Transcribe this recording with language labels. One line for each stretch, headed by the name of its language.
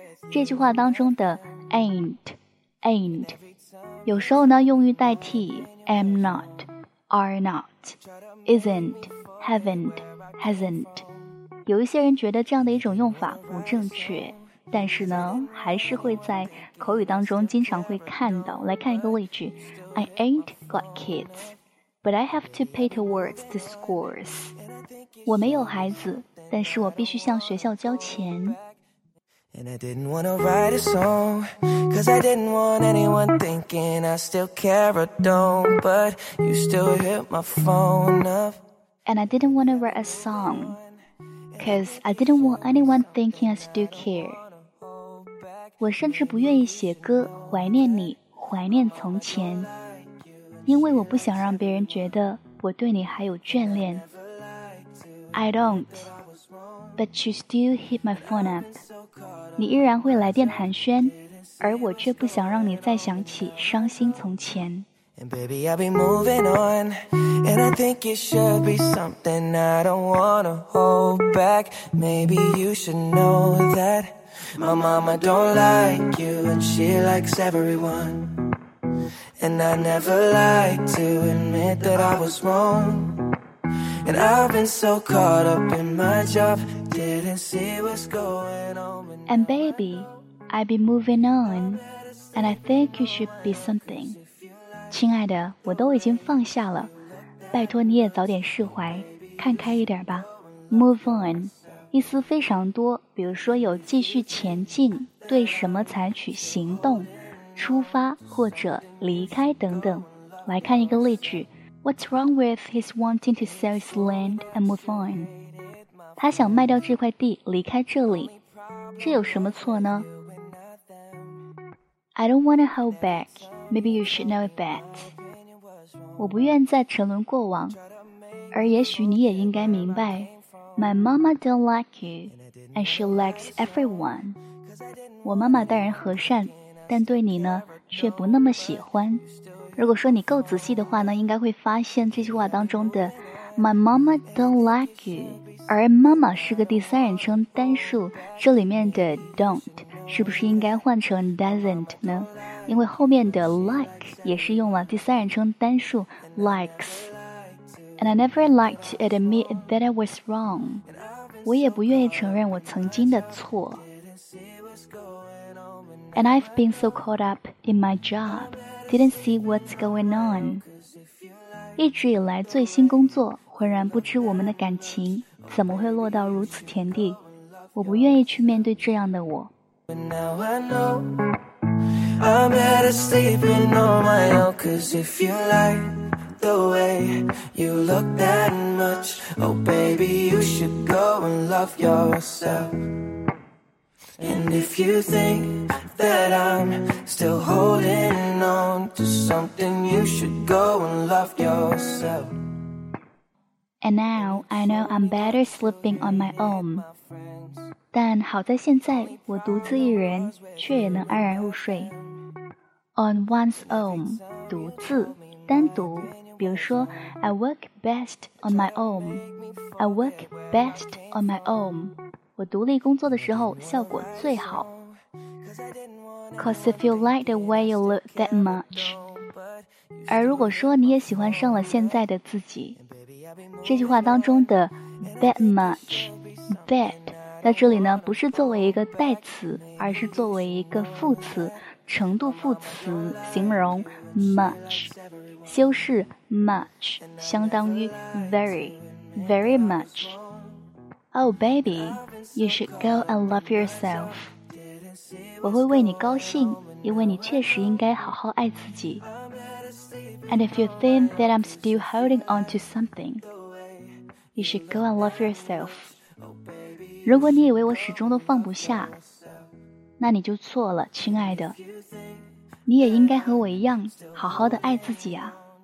Chinese: 这句话当中的 ain't, 有时候呢用于代替 am not, are not.
English: Isn't, haven't, hasn't.
Chinese: 有一些人觉得这样的一种用法不正确，但是呢还是会在口语当中经常会看到。来看一个例句，
English: I ain't got kids, but I have to pay towards the scores.
Chinese: 我没有孩子，但是我必须向学校交钱。
English: And I didn't want to write a song Cause I didn't want anyone thinking I still care or don't But you still hit my phone up And I didn't want to write a song Cause I didn't want anyone thinking I still care
Chinese: 我甚至不愿意写歌怀念你，怀念从前，因为我不想让别人觉得我对你还有眷恋。
English: I don't But you still hit my phone up
Chinese: 你依然会来电寒暄，而我却不想让你再想起伤心从前。
English: And baby, I'll be moving on. And I think it should be something I don't wanna hold back. Maybe you should know that my mama don't like you, and she likes everyone. And I never like to admit that I was wrong. And I've been so caught up in my job, didn't see what's going on. And baby, I'll be moving on. And I think you should be something.
Chinese: 亲爱的，我都已经放下了，拜托你也早点释怀，看开一点吧。 Move on 意思非常多，比如说有继续前进，对什么采取行动，出发或者离开等等。来看一个例句，
English: What's wrong with his wanting to sell his land and move on?
Chinese: 他想卖掉这块地，离开这里，这有什么错呢？
English: I don't want to hold back. Maybe you should know it better.
Chinese: 我不愿再沉沦过往，而也许你也应该明白。
English: My mama don't like you, and she likes everyone.
Chinese: 我妈妈待人和善，但对你呢，却不那么喜欢。如果说你够仔细的话呢，应该会发现这句话当中的
English: My mama don't like you,
Chinese: 而妈妈是个第三人称单数，这里面的 don't是不是应该换成 doesn't 呢？因为后面的 like 也是用了第三人称单数 likes.
English: And I never liked to admit that I was wrong.
Chinese: 我也不愿意承认我曾经的错。 And I've been so caught up in my job, didn't see what's going on. 一直以来最新工作，浑然不知我们的感情怎么会落到如此田地。我不愿意去面对这样的我。
English: But now I know I'm better sleeping on my own. Cause if you like the way you look that much, oh baby, you should go and love yourself. And if you think that I'm still holding on to something, you should go and love yourself. And now I know I'm better sleeping on my own.
Chinese: 但好在现在我独自一人却也能安然入睡。 On one's own 独自单独，比如说
English: I work best on my own,
Chinese: I work best on my own, 我独立工作的时候效果最好。
English: Cause if you like the way you look that much,
Chinese: 而如果说你也喜欢上了现在的自己，这句话当中的 that much that在这里呢，不是作为一个代词，而是作为一个副词，程度副词，形容 much， 修饰 much 相当于 very， very much。
English: Oh baby, you should go and love yourself.
Chinese: 我会为你高兴，因为你确实应该好好爱自己。
English: And if you think that I'm still holding on to something, you should go and love yourself.
Chinese: 如果你以为我始终都放不下，那你就错了，亲爱的。你也应该和我一样，好好的爱自己啊。